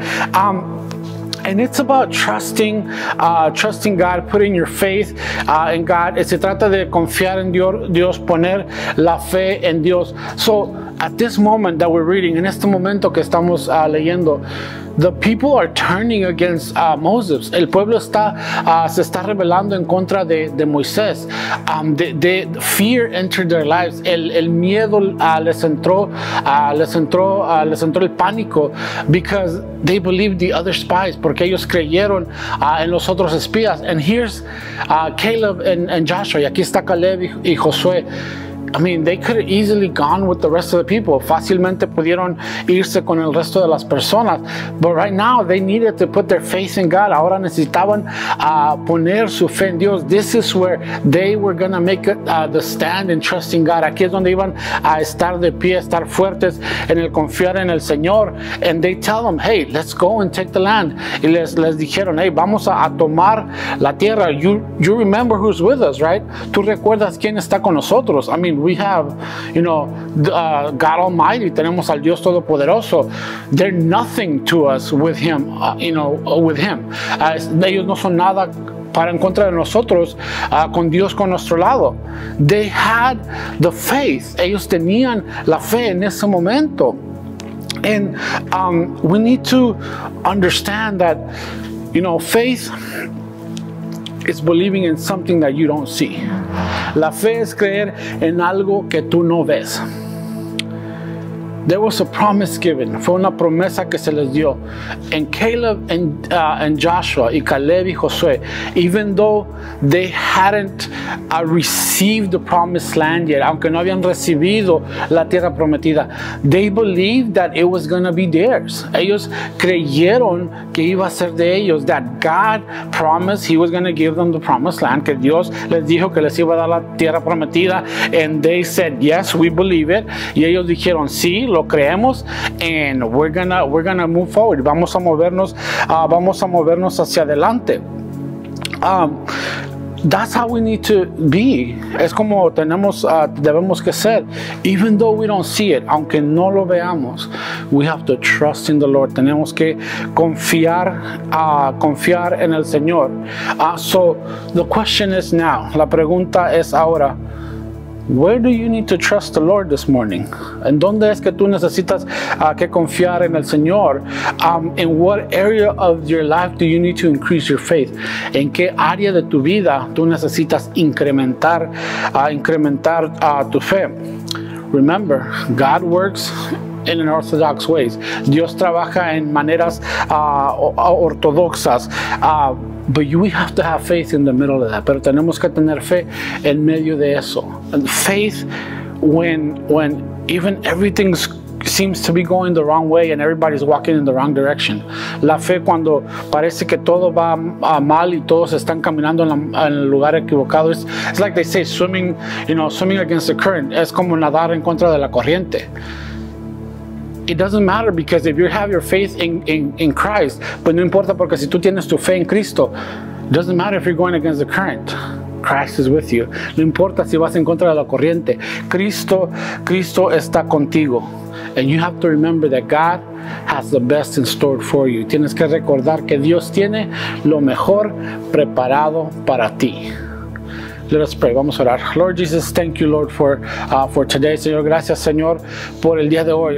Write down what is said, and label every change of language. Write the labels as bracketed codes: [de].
[en] And it's about trusting God, putting your faith in God. [es] Se trata de confiar en Dios, poner la fe en Dios. [en] So at this moment that we're reading, [es] en este momento que estamos leyendo, [en] the people are turning against Moses. [es] El pueblo está se está rebelando en contra de Moisés. [en] The fear entered their lives. [es] El miedo les entró el pánico, [en] because they believed the other spies, [es] porque ellos creyeron en los otros espías. [en] And here's Caleb and Joshua. [es] Y aquí está Caleb y Josué. [en] I mean, they could have easily gone with the rest of the people. [es] Fácilmente pudieron irse con el resto de las personas. [en] But right now, they needed to put their faith in God. [es] Ahora necesitaban poner su fe en Dios. [en] This is where they were going to make the stand in trusting God. [es] Aquí es donde iban a estar de pie, estar fuertes en el confiar en el Señor. [en] And they tell them, hey, let's go and take the land. [es] Y les dijeron, hey, vamos a tomar la tierra. [en] You remember who's with us, right? [es] Tú recuerdas quién está con nosotros. [en] I mean, we have, you know, God Almighty. [es] Tenemos al Dios Todopoderoso. [en] They're nothing to us with Him, you know, with Him. [es] Ellos no son nada para en contra de nosotros, con Dios con nuestro lado. [en] They had the faith. [es] Ellos tenían la fe en ese momento. [en] And we need to understand that, you know, faith is believing in something that you don't see. [es] La fe es creer en algo que tú no ves. [en] There was a promise given. [es] Fue una promesa que se les dio. [en] And Caleb and Joshua, [es] y Caleb y Josué, [en] even though they hadn't received the promised land yet, [es] aunque no habían recibido la tierra prometida, [en] they believed that it was going to be theirs. [es] Ellos creyeron que iba a ser de ellos, [en] that God promised He was going to give them the promised land, [es] que Dios les dijo que les iba a dar la tierra prometida. [en] And they said, yes, we believe it. [es] Y ellos dijeron, sí, lo creemos, [en] and we're gonna move forward. [es] Vamos a movernos hacia adelante. [en] That's how we need to be. [es] Es como debemos que ser. [en] Even though we don't see it, [es] aunque no lo veamos, [en] We have to trust in the Lord. [es] Tenemos que confiar, confiar en el Señor. [en] So the question is now, [es] la pregunta es ahora, [en] where do you need to trust the Lord this morning? [es] ¿En dónde es que tú necesitas que confiar en el Señor? [en] In what area of your life do you need to increase your faith? [es] ¿En qué área de tu vida tú necesitas incrementar tu fe? [en] Remember, God works in an orthodox ways. [es] Dios trabaja en maneras ortodoxas. [en] But we have to have faith in the middle of that. [es] Pero tenemos que tener fe en medio de eso. [en] And faith when even everything seems to be going the wrong way and everybody's walking in the wrong direction. [es] La fe cuando parece que todo va mal y todos están caminando en el lugar equivocado. [en] It's like they say swimming against the current. [es] Es como nadar en contra de la corriente. [en] It doesn't matter because if you have your faith in Christ, but [es] no importa porque si tú tienes tu fe en Cristo, [en] it doesn't matter if you're going against the current. Christ is with you. [es] No importa si vas en contra de la corriente. Cristo está contigo. [en] And you have to remember that God has the best in store for you. [es] Tienes que recordar que Dios tiene lo mejor preparado para ti. [en] Let us pray. [es] Vamos a orar. [en] Lord Jesus, thank you, Lord, for today. [es] Señor, gracias, Señor, por el día de hoy.